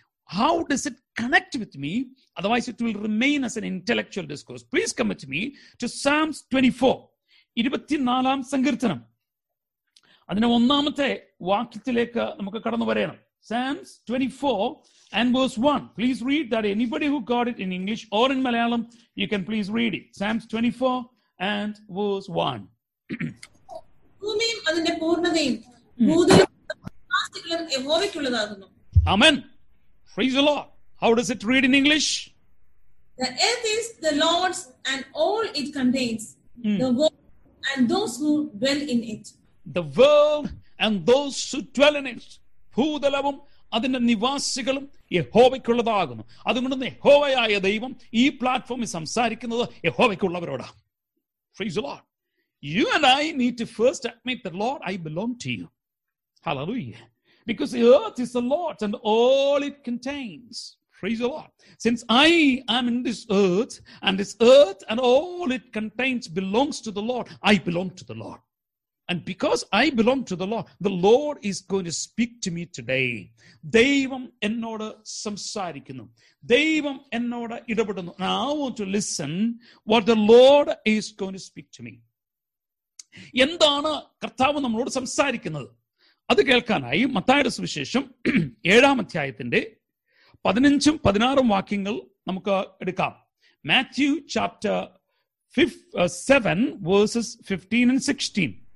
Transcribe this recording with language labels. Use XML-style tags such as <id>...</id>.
<en>How does it connect with me? Otherwise, it will remain as an intellectual discourse. Please come with me to Psalms 24.</en> <ml>24-ാം സങ്കീർത്തനം. അതിന്റെ ഒന്നാമത്തെ വാക്യത്തിലേക്ക് നമുക്ക് കടന്നു വരണം.</ml> <en>Psalms 24 and verse 1. Please read that. Anybody who got it in English or in Malayalam, you can please read it. Psalms 24 and verse 1.</en> <ml>ഭൂമിയും അതിന്റെ പൂർണ്ണതയും ഭൂതലവും ആകാശങ്ങളും യഹോവയ്ക്കുള്ളതാകുന്നു.</ml> <en>Amen. Praise the Lord. How does it read in English? The earth is the Lord's and all it contains. The world and those who dwell in it. The world and those who dwell in it.</en> <ml>ഭൂതലവും അതിന്റെ നിവാസികളും യഹോവയ്ക്കുള്ളതാകുന്നു. അതുകൊണ്ട് യഹോവയായ ദൈവം ഈ പ്ലാറ്റ്ഫോമിൽ സംസാരിക്കുന്നത് യഹോവയ്ക്കുള്ളവരോടാണ്.</ml> <en>Praise the Lord. You and I need to first admit that, Lord, I belong to you. Hallelujah. Because the earth is the Lord's and all it contains. Praise the Lord. Since I am in this earth and all it contains belongs to the Lord, I belong to the Lord. And because I belong to the Lord is going to speak to me today.</en> <ml>Devam ennoda samsarikkunu. Devam ennoda idapadunu.</ml> <en>Now I want to listen what the Lord is going to speak to me.</en> <ml>എന്താണ് കർത്താവ് നമ്മളോട് സംസാരിക്കുന്നത്? അത് കേൾക്കാനായി മത്തായിയുടെ സുവിശേഷം 7-ാം അധ്യായത്തിന്റെ 15-ഉം 16-ഉം വാക്യങ്ങൾ നമുക്ക് എടുക്കാം.</ml> <en>Matthew chapter 7:15-16.</en>